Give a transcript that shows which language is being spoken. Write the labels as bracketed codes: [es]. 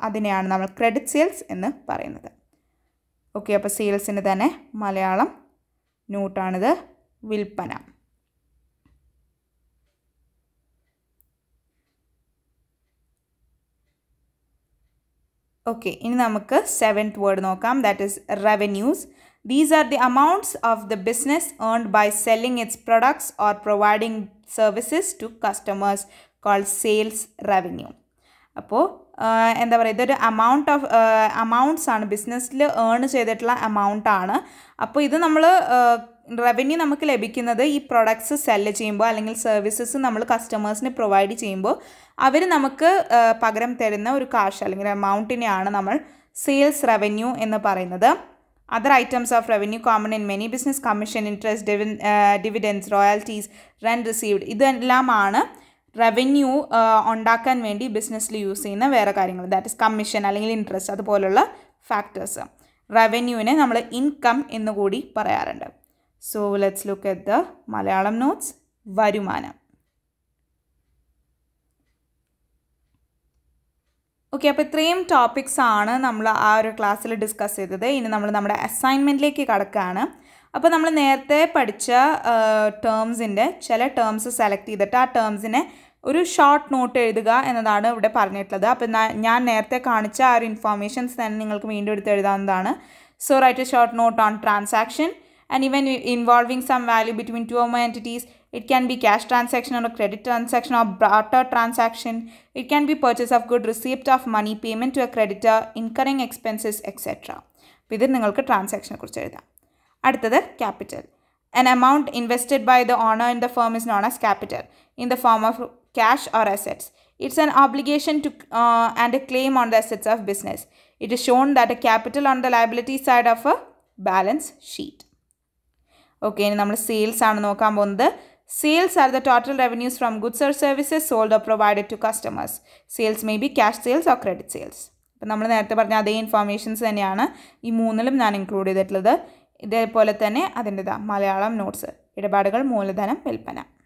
[ml] അതിനെയാണ് നമ്മൾ credit sales എന്ന് പറയുന്നത്. ഓക്കെ, അപ്പോൾ സെയിൽസിന് തന്നെ മലയാളം നോട്ടാണിത്, വിൽപ്പന. ഓക്കെ, ഇനി നമുക്ക് സെവൻത് വേർഡ് നോക്കാം, [en] That is revenues. These are the amounts of the business earned by selling its products or providing services to customers called sales revenue. [ml] അപ്പോൾ എന്താ പറയുക, ഇതൊരു അമൗണ്ട് ഓഫ് അമൗണ്ട്സ് ആണ്, ബിസിനസ്സിൽ ഏൺ ചെയ്തിട്ടുള്ള അമൗണ്ടാണ്. അപ്പോൾ ഇത് നമ്മൾ റവന്യൂ നമുക്ക് ലഭിക്കുന്നത് ഈ പ്രൊഡക്ട്സ് സെല്ല് ചെയ്യുമ്പോൾ അല്ലെങ്കിൽ സർവീസസ് നമ്മൾ കസ്റ്റമേഴ്സിന് പ്രൊവൈഡ് ചെയ്യുമ്പോൾ അവർ നമുക്ക് പകരം തരുന്ന ഒരു കാഷ് അല്ലെങ്കിൽ അമൗണ്ടിനെയാണ് നമ്മൾ സെയിൽസ് റവന്യൂ എന്ന് പറയുന്നത്. [en] Other items of revenue common in many business commission, interest, dividends, royalties, rent received. [ml] ഇതെല്ലാമാണ് റവന്യൂ ഉണ്ടാക്കാൻ വേണ്ടി ബിസിനസ്സിൽ യൂസ് ചെയ്യുന്ന വേറെ കാര്യങ്ങൾ. [en] that is [ml] കമ്മീഷൻ അല്ലെങ്കിൽ ഇൻട്രസ്റ്റ്, അതുപോലുള്ള ഫാക്ടേഴ്സ്. റവന്യൂവിനെ നമ്മൾ ഇൻകം എന്ന് കൂടി പറയാറുണ്ട്. [en] So let's look at the Malayalam notes. വരുമാനം. [ml] ഓക്കെ, അപ്പോൾ ഇത്രയും ടോപ്പിക്സ് ആണ് നമ്മൾ ആ ഒരു ക്ലാസ്സിൽ ഡിസ്കസ് ചെയ്തത്. ഇനി നമ്മൾ നമ്മുടെ അസൈൻമെൻറ്റിലേക്ക് കടക്കുകയാണ്. അപ്പോൾ നമ്മൾ നേരത്തെ പഠിച്ച ടേംസിൻ്റെ ചില ടേംസ് സെലക്ട് ചെയ്തിട്ട് ആ ടേംസിനെ ഒരു ഷോർട്ട് നോട്ട് എഴുതുക എന്നതാണ് ഇവിടെ പറഞ്ഞിട്ടുള്ളത്. അപ്പോൾ ഞാൻ നേരത്തെ കാണിച്ച ആ ഒരു ഇൻഫോർമേഷൻസ് തന്നെ നിങ്ങൾക്ക് വീണ്ടും എടുത്ത് എഴുതാവുന്നതാണ്. [en] So write a short note on transaction and even involving some value between two or more entities. It can be cash transaction or credit transaction or barter transaction. It can be purchase of good, receipt of money, payment to a creditor, incurring expenses, etc. [ml] ഇതിൽ നിങ്ങൾക്ക് ട്രാൻസാക്ഷനെ കുറിച്ച് എഴുതാം. അടുത്തത് capital. [en] An amount invested by the owner in the firm is known as capital in the form of cash or assets. It's an obligation to and a claim on the assets of business. It is shown that a capital on the liability side of a balance sheet. [ml] Okay, ഇനി നമ്മൾ sales ആണ് നോക്കാൻ പോകുന്നത്. [en] Sales are the total revenues from goods or services sold or provided to customers. Sales may be cash sales or credit sales. [ml] അപ്പോൾ നമ്മൾ നേരത്തെ പറഞ്ഞ അതേ ഇൻഫോർമേഷൻസ് തന്നെയാണ് ഈ മൂന്നിലും ഞാൻ ഇൻക്ലൂഡ് ചെയ്തിട്ടുള്ളത്. ഇതേപോലെ തന്നെ അതിൻ്റെ ഇതാ മലയാളം നോട്ട്സ്. ഇടപാടുകൾ, മൂലധനം, വിൽപ്പന.